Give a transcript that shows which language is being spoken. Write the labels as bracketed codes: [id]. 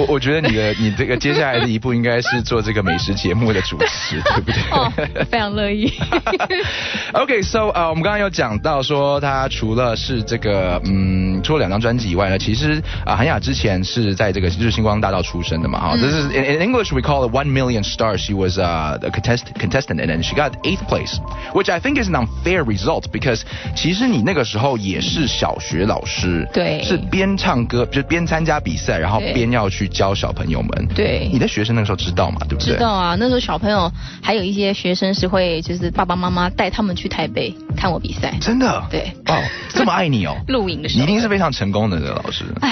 [zh] 我觉得你这个接下来的一步应该是做这个美食节目的主持，对不对？非常乐意。 [en] OK， so [zh] 我们刚刚有讲到说，他除了是这个出了两张专辑以外呢，其实韩雅之前是在这个就是星光大道出生的嘛，哈。 [en] This is in English we call it One Million Stars. She was a contestant and then she got 8th place, which I think is an unfair result because [zh] 其实你那个时候也是小学老师，对，是。边唱歌就边参加比赛，然后边要去教小朋友们。对，你的学生那个时候知道吗？对不对？知道啊，那时候小朋友还有一些学生是会就是爸爸妈妈带他们去台北看我比赛。真的？对。哦，这么爱你哦。录影的时候，你一定是非常成功的这个老师。